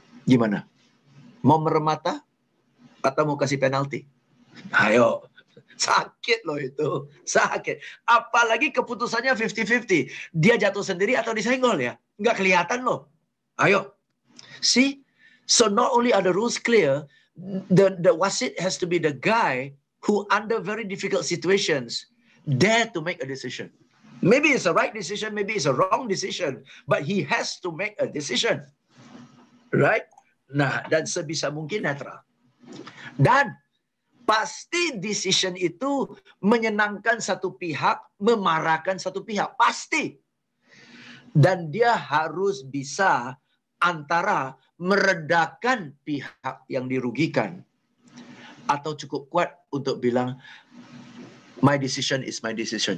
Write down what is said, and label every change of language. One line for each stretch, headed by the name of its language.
Indonesian: Gimana? Mau merem mata atau mau kasih penalti? Ayo. Sakit loh itu. Sakit. Apalagi keputusannya 50-50. Dia jatuh sendiri atau disenggol ya? Nggak kelihatan loh. Ayo. See?
English: So not only are the rules clear, the wasit has to be the guy who under very difficult situations dare to make a decision. Maybe it's a right decision, maybe it's a wrong decision, but he has to make a decision. Right?
Indonesian: Nah, dan sebisa mungkin netral. Dan pasti decision itu menyenangkan satu pihak, memarahkan satu pihak. Pasti. Dan dia harus bisa antara meredakan pihak yang dirugikan atau cukup kuat untuk bilang,
English: my decision is my decision.